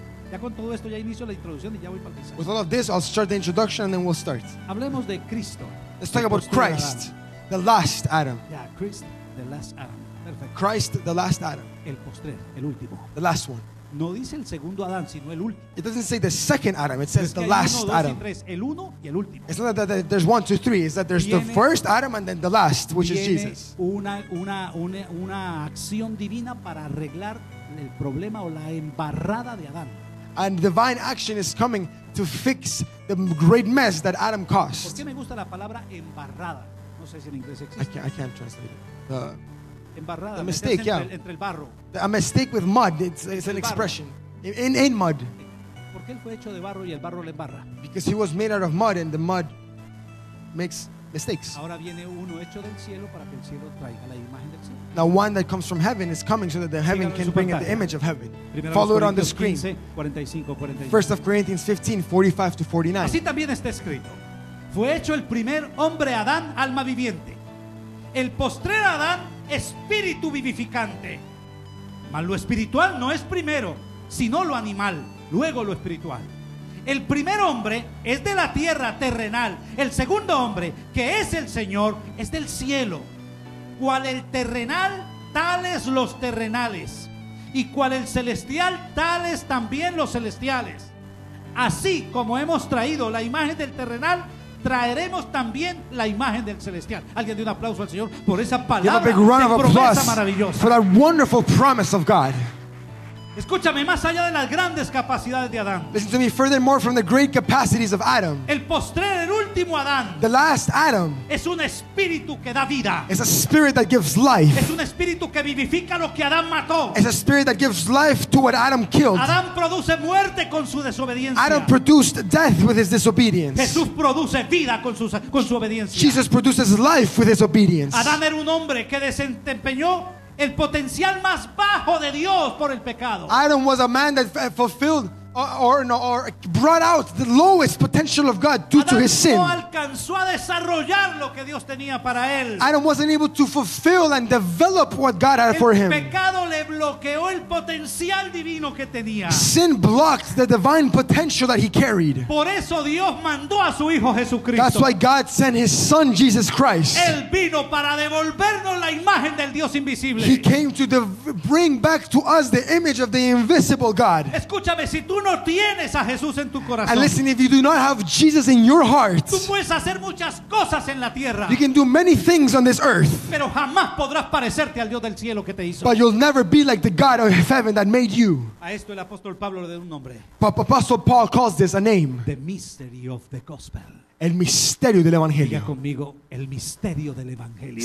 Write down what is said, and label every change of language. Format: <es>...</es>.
<es>Ya con todo esto ya inicio la introducción y ya voy para el mensaje.</es> <en>With all of this, I'll start the introduction and then we'll start.</en> <es>Hablemos de Cristo.</es> <en>Let's talk about Christ, The last Adam. Yeah, Christ, the last Adam. Perfect. Christ, the last Adam.</en> <es>El postrer, el último.</es> <en>The last one.</en> <es>No dice el segundo Adán, sino el último.</es> <en>It doesn't say the second Adam, it says the last Adam.</en> <es>El uno y el último.</es> <en>It's not that there's one, two, three, it's that there's the first Adam and then the last, which is Jesus.</en> <es>Una acción divina para arreglar el problema o la embarrada de Adán.</es> <en>And divine action is coming to fix the great mess that Adam caused.</en> <es>¿Por qué me gusta la palabra embarrada? No sé si en inglés existe.</es> <en>I can't translate it.</en> <es>Embarrada,</es> <en>a mistake, yeah.</en> <es>Entre el barro.</es> <en>A mistake with mud. It's an expression. In mud.</en> <es>¿Por qué él fue hecho de barro y el barro le embarra?</es> <en>Because he was made out of mud and the mud makes mistakes.</en> <es>Ahora viene uno hecho del cielo para que el cielo traiga la imagen del cielo.</es> <en>Now one that comes from heaven is coming so that the heaven can bring in the image of heaven. Follow it on the screen. 1 Corinthians 15, 45 to 49.</en> <es>Así también está escrito. Fue hecho el primer hombre Adán, alma viviente. El postrer Adán, espíritu vivificante. Mas lo espiritual no es primero, sino lo animal, luego lo espiritual. El primer hombre es de la tierra terrenal. El segundo hombre, que es el Señor, es del cielo. Cual el terrenal, tales los terrenales. Y cual el celestial, tales también los celestiales. Así como hemos traído la imagen del terrenal, traeremos también la imagen del celestial. Alguien dé un aplauso al Señor por esa palabra,</es> <en>give a big round of</en> <es>promesa maravillosa.</es> <en>For that wonderful promise of God.</en> <es>Escúchame, más allá de las grandes capacidades de Adán.</es> <en>Listen to me, furthermore, from the great capacities of Adam.</en> <es>El postrer, el último Adán.</es> <en>The last Adam.</en> <es>Es un espíritu que da vida.</es> <en>It's a spirit that gives life.</en> <es>Es un espíritu que vivifica lo que Adán mató.</es> <en>It's a spirit that gives life to what Adam killed.</en> <es>Adán produce muerte con su desobediencia.</es> <en>Adam produced death with his disobedience.</en> <es>Jesús produce vida con su obediencia.</es> <en>Jesus produces life with his obedience.</en> <es>Adán era un hombre que desempeñó el potencial más bajo de Dios por el pecado.</es> <en>Adam was a man that fulfilled or brought out the lowest potential of God due Adam to his sin.</en> <es>No alcanzó a desarrollar lo que Dios tenía para él.</es> <en>Adam wasn't able to fulfill and develop what God had</en> <es>el</es> <en>for him.</en> <es>El pecado le bloqueó el potencial divino que tenía.</es> <en>Sin blocked the divine potential that he carried.</en> <es>Por eso Dios mandó a su hijo Jesucristo.</es> <en>That's why God sent his son Jesus Christ.</en> <es>Él vino para devolvernos la imagen del Dios invisible.</es> <en>He came to bring back to us the image of the invisible God.</en> <es>Escúchame, si tú no tienes a Jesús en tu corazón.</es> <en>And listen, if you do not have Jesus in your heart,</en> <es>tú puedes hacer muchas cosas en la tierra.</es> <en>You can do many things on this earth.</en> <es>Pero jamás podrás parecerte al Dios del cielo que te hizo.</es> <en>But you'll never be like the God of heaven that made you.</en> <es>A esto el apóstol Pablo le da un nombre.</es> <en>Apostle Paul calls this a name. The mystery of the gospel.</en> <es>El misterio del evangelio. Diga conmigo, el misterio del evangelio.</es>